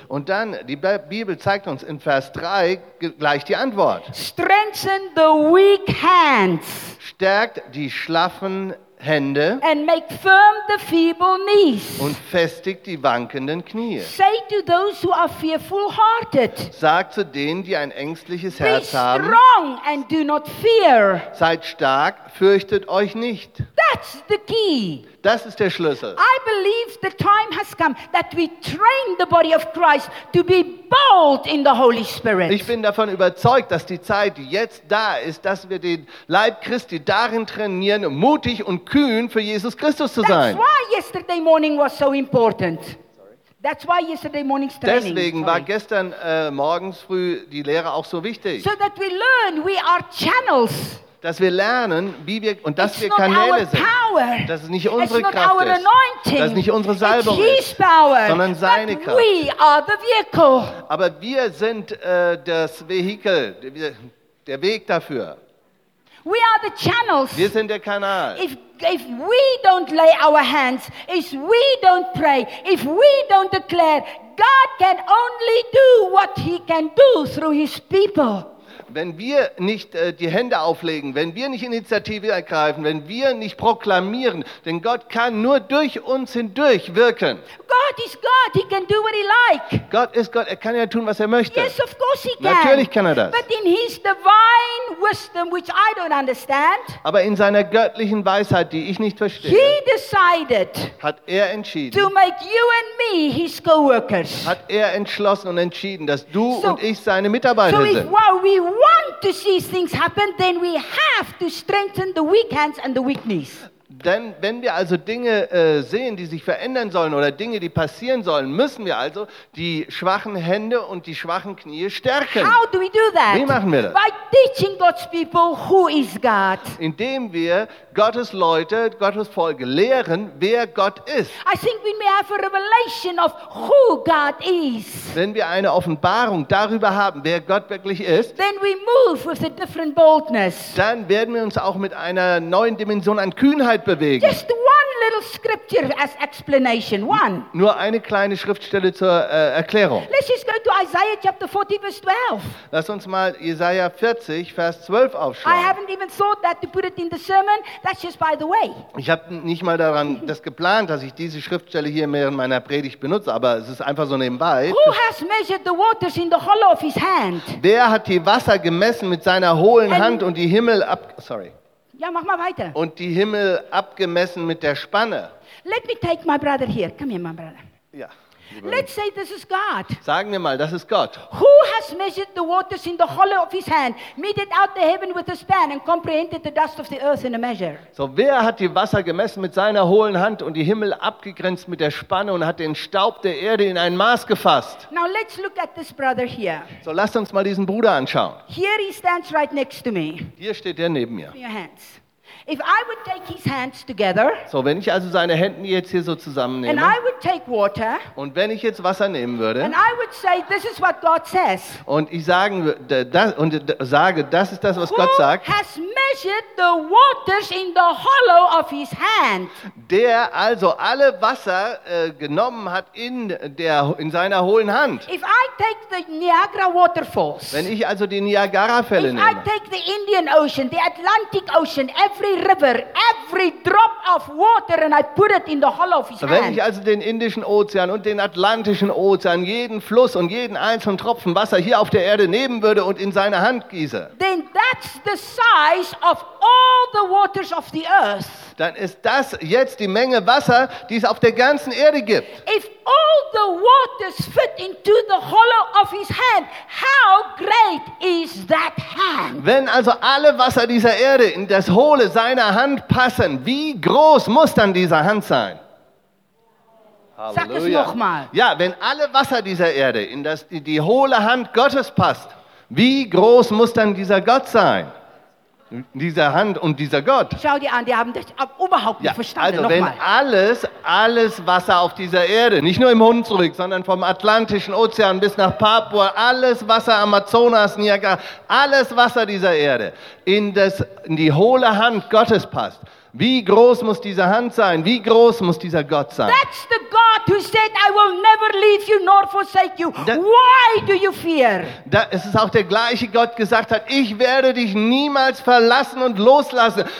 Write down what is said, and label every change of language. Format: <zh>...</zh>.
<de>Und dann die Bibel zeigt uns in Vers 3 gleich die Antwort.</de> <en>Strengthen the weak hands.</en> <de>Stärkt die schlaffen Hände.</de> <en>And make firm the feeble knees.</en> <de>Und festigt die wankenden Knie.</de> <en>Say to those who are fearful hearted.</en> <de>Sagt zu denen, die ein ängstliches Herz haben.</de> <en>Be strong and do not fear.</en> <de>Seid stark, fürchtet euch nicht.</de> <en>That's the key.</en> <de>Das ist der Schlüssel.</de> <en>I believe the time has come that we train the body of Christ to be bold in the Holy Spirit.</en> <de>Ich bin davon überzeugt, dass die Zeit jetzt da ist, dass wir den Leib Christi darin trainieren, mutig und kühn für Jesus Christus zu sein.</de> <en>That's why yesterday morning was so important. That's why yesterday morning's training.</en> <de>Deswegen war gestern morgens früh die Lehre auch so wichtig.</de> <en>So that we learn we are channels.</en> <de>Dass wir lernen, wie wir und dass wir Kanäle sind.</de> <en>Power.</en> <de>Dass es nicht unsere Kraft ist.</de> <en>Anointing.</en> <de>Dass es nicht unsere Salbung ist.</de> <en>Power.</en> <de>Sondern seine</de> <en>But</en> <de>Kraft.</de> <en>We are the vehicle.</en> <de>Aber wir sind das Vehikel, der Weg dafür.</de> <en>We are the channels.</en> <de>Wir sind der Kanal.</de> <en>If we don't lay our hands, if we don't pray, if we don't declare, God can only do what he can do through his people.</en> <de>Wenn wir nicht die Hände auflegen, wenn wir nicht Initiative ergreifen, wenn wir nicht proklamieren, denn Gott kann nur durch uns hindurch wirken.</de> <en>God is God. He can do what he like.</en> <de>Gott ist Gott, er kann ja tun, was er möchte.</de> <en>Yes, of course he can.</en> <de>Natürlich kann er das.</de> <en>But in his divine wisdom, which I don't understand,</en> <de>aber in seiner göttlichen Weisheit, die ich nicht verstehe,</de> <en>he decided,</en> <de>hat er entschieden,</de> <en>to make you and me his co-workers.</en> <de>Hat er entschlossen und entschieden, dass du und ich seine Mitarbeiter sind.</de> <en>So if we want to see things happen, then we have to strengthen the weak hands and the weak knees.</en> <de>Denn wenn wir also Dinge sehen, die sich verändern sollen oder Dinge, die passieren sollen, müssen wir also die schwachen Hände und die schwachen Knie stärken.</de> <en>How do we do that?</en> <de>Wie machen wir das?</de> <en>By teaching God's people who is God.</en> <de>Indem wir Gottes Leute, Gottes Volk lehren, wer Gott ist.</de> <en>I think we may have a revelation of who God is.</en> <de>Wenn wir eine Offenbarung darüber haben, wer Gott wirklich ist,</de> <en>then we move with a different boldness.</en> <de>Dann werden wir uns auch mit einer neuen Dimension an Kühnheit bewegen.</de> <en>Just one little scripture as explanation. One.</en> <de>Nur eine kleine Schriftstelle zur Erklärung.</de> <en>Let's just go to Isaiah chapter 40 verse 12.</en> <de>Lass uns mal Jesaja 40 Vers 12 aufschlagen.</de> <en>I haven't even thought that to put it in the sermon. That's just by the way.</en> <de>Ich habe nicht mal daran das geplant, dass ich diese Schriftstelle hier mehr in meiner Predigt benutze, aber es ist einfach so nebenbei.</de> <en>Who has measured the waters in the hollow of his hand?</en> <de>Wer hat die Wasser gemessen mit seiner hohlen Hand und die Himmel ab?</de> <en>Sorry.</en> <de>Ja, mach mal weiter. Und die Himmel abgemessen mit der Spanne.</de> <en>Let me take my brother here. Come here, my brother.</en> <de>Ja.</de> <en>Let's say this is God.</en> <de>Sagen wir mal, das ist Gott.</de> <en>Who has measured the waters in the hollow of his hand, meted out the heaven with a span and comprehended the dust of the earth in a measure?</en> <de>So, wer hat die Wasser gemessen mit seiner hohlen Hand und die Himmel abgegrenzt mit der Spanne und hat den Staub der Erde in ein Maß gefasst?</de> <en>Now let's look at this brother here.</en> <de>So, lasst uns mal diesen Bruder anschauen.</de> <en>Here he stands right next to me.</en> <de>Hier steht er neben mir.</de> <en>Your hands. If I would take his hands together,</en> <de>so wenn ich also seine Hände jetzt hier so zusammennehme,</de> <en>and I would take water,</en> <de>und wenn ich jetzt Wasser nehmen würde,</de> <en>and I would say, this is what God says,</en> <de>und ich sagen, das, und sage, das ist das, was Gott sagt,</de> <en>who has measured the waters in the hollow of his hand,</en> <de>der also alle Wasser genommen hat in seiner hohlen Hand.</de> <en>If I take the Niagara waterfalls,</en> <de>wenn ich also die Niagara-Fälle nehme,</de> <en>if I take the Indian Ocean, the Atlantic Ocean, every river, every drop of water, and I put it in the hollow of his hand.</en> <de>Wenn ich also den Indischen Ozean und den Atlantischen Ozean, jeden Fluss und jeden einzelnen Tropfen Wasser hier auf der Erde nehmen würde und in seine Hand gieße,</de> <en>then that's the size of all the waters of the earth.</en> <de>Dann ist das jetzt die Menge Wasser, die es auf der ganzen Erde gibt.</de> <en>If all the waters fit into the hollow of his hand, how great is that hand?</en> <de>Wenn also alle Wasser dieser Erde in das Hohle seiner Hand passen, wie groß muss dann dieser Hand sein? Halleluja. Sag es nochmal. Ja, wenn alle Wasser dieser Erde in die hohle Hand Gottes passt, wie groß muss dann dieser Gott sein? Dieser Hand und dieser Gott. Schau dir an, die haben das überhaupt nicht verstanden. Also wenn alles Wasser auf dieser Erde, nicht nur im Hund zurück, sondern vom Atlantischen Ozean bis nach Papua, alles Wasser Amazonas, Niagara, alles Wasser dieser Erde in die hohle Hand Gottes passt. Wie groß muss diese Hand sein? Wie groß muss dieser Gott sein?</de> <en>That's the God who said, I will never leave you nor forsake you. Why do you fear?</en> <de>Es ist auch der gleiche Gott, gesagt hat, ich werde dich niemals verlassen und loslassen.</de>